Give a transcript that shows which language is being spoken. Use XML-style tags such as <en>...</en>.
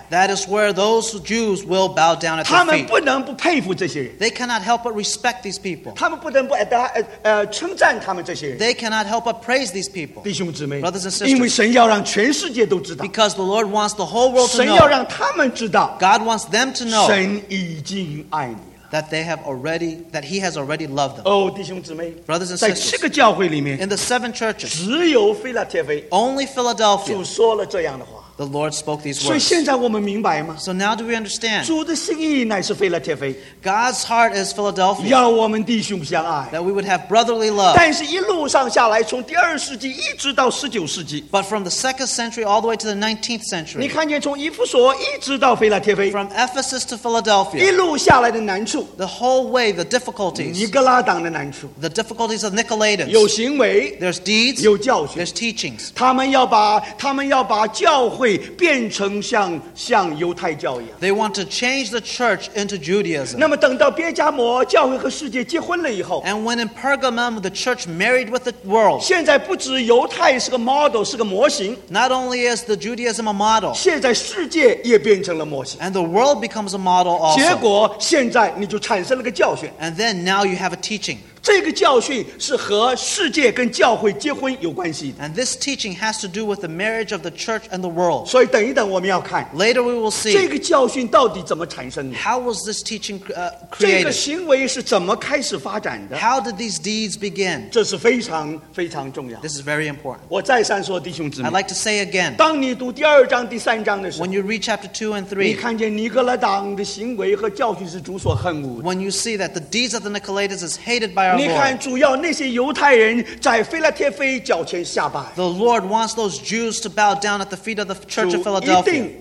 <en>That is where those Jews will bow down at their feet.</en> <zh>他们不能不佩服这些人。</zh> <en>They cannot help but respect these people.</en> <zh>他们不能不称赞他们这些人。</zh> <en>They cannot help but praise these people.</en> <zh>弟兄姊妹,</zh> <en>brothers and sisters,</en> <zh>因为神要让全世界都知道。</zh> <en>Because the Lord wants the whole world to know.</en> <zh>神要让他们知道。</zh> <en>God wants them to know.</en> <zh>神已经爱你。</zh> <en>That they have already, that he has already loved them.</en> <zh>Oh, 弟兄姊妹,</zh> <en>brothers and sisters, in the seven churches,</en> <zh>只有菲拉铁菲,</zh> <en>only Philadelphia,</en> <zh>主说了这样的话,</zh> <en>the Lord spoke these words. So now do we understand? God's heart is Philadelphia. That we would have brotherly love.</en> <zh>但是一路上下来, 从第二世纪一直到19世纪,</zh> <en>but from the 2nd century all the way to the 19th century,</en> <zh>你看见从以弗所一直到菲拉铁菲,</zh> <en>from Ephesus to Philadelphia,</en> <zh>一路下来的难处,</zh> <en>the whole way, the difficulties,</en> <zh>尼格拉党的难处,</zh> <en>the difficulties of Nicolaitans,</en> <zh>有行为,</zh> <en>there's deeds,</en> <zh>有教训,</zh> <en>there's teachings.</en> <zh>他们要把教会</zh> <en>They want to change the church into Judaism.</en> <zh>那么等到别加摩,</zh> <en>and when in Pergamum the church married with the world,</en> <zh>现在不止犹太是个model, 是个模型,</zh> <en>not only is the Judaism a model,</en> <zh>现在世界也变成了模型,</zh> <en>and the world becomes a model also.</en> <zh>结果现在你就产生了个教训,</zh> <en>and then now you have a teaching.</en> <zh>这个教训是和世界跟教会结婚有关系的。</zh> <en>And this teaching has to do with the marriage of the church and the world.</en> <zh>所以等一等我们要看,</zh> <en>later we will see,</en> <zh>这个教训到底怎么产生的。</zh> <en>How was this teaching created?</en> <zh>这个行为是怎么开始发展的。</zh> <en>How did these deeds begin?</en> <zh>这是非常非常重要。</zh> <en>This is very important.</en> <zh>我再三说弟兄姊妹,</zh> <en>I'd like to say again,</en> <zh>当你读第二章第三章的时候,</zh> <en>when you read chapter 2 and 3,</en> <zh>你看见尼格拉党的行为和教训是主所恨恶的。</zh> <en>When you see that the deeds of the Nicolaitans is hated by, the Lord wants those Jews to bow down at the feet of the Church of Philadelphia.</en>